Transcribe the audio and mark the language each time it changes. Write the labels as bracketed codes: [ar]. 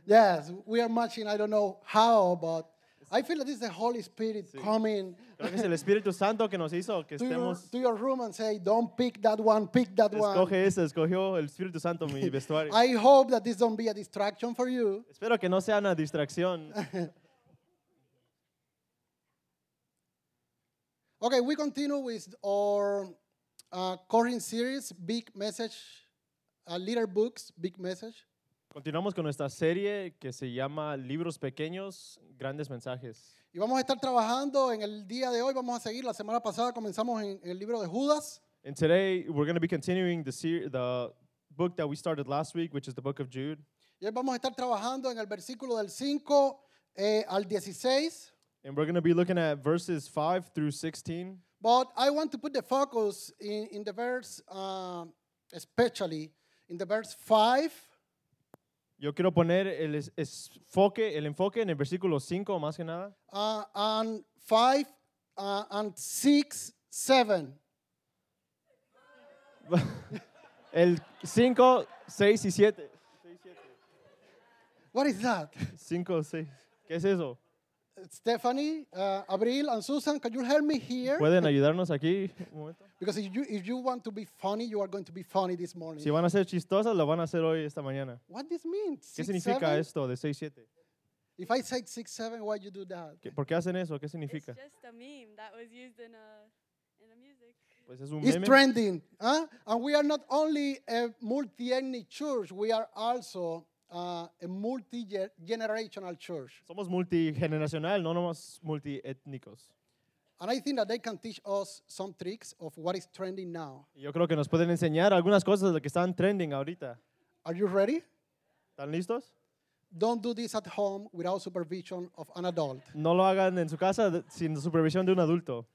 [en] Yes, we are marching. I don't know how, but I feel that this is the Holy Spirit coming. [es] Creo que es el Espíritu Santo que nos hizo que estemos. [en] To your room and say, don't pick that one, pick that one. [es] Escoge ese, escogió el Espíritu Santo mi vestuario. [en] I hope that this don't be a distraction for you. [es] Espero que no sea una distracción. [en] Okay, we continue with our current series, Big Message, Little Books, Big Message. [es] Continuamos con nuestra serie que se llama Libros Pequeños, Grandes Mensajes. Y vamos a estar trabajando en el día de hoy, vamos a seguir. La semana pasada comenzamos en el libro de Judas. [en] And today we're going to be continuing the book that we started last week, which is the book of Jude. [es] Y hoy vamos a estar trabajando en el versículo del 5 al 16. [en] And we're going to be looking at verses 5 through 16. But I want to put the focus in the verse, especially in the verse 5. [es] Yo quiero poner el enfoque en el versículo 5, más que nada. [en] And 5 and 6, 7. [es] El 5, 6 y 7. [en] What is that? [es] 5, 6. ¿Qué es eso? [en] Stephanie, Abril, and Susan, can you help me here? [es] ¿Pueden ayudarnos aquí? [en] Because if you want to be funny, you are going to be funny this morning. [es] Si van a ser chistosas, lo van a hacer hoy esta mañana. [en] What this means? [es] ¿Qué significa [en] seven? [es] Esto de 6-7? [en] If I say 6-7, why you do that? [es] ¿Por qué hacen eso? ¿Qué significa? [en] It's just a meme that was used in the music. [es] Pues es un [en] it's meme. Trending. And we are not only a multi-ethnic church, we are also a multi-generational church. [es] Somos multigeneracional, no nomás multiétnicos. [en] And I think that they can teach us some tricks of what is trending now. [es] Yo creo que nos pueden enseñar algunas cosas de lo que están trending ahorita. [en] Are you ready? [es] ¿Están listos? [en] Don't do this at home without supervision of an adult. [es] No lo hagan en su casa sin supervisión de un adulto.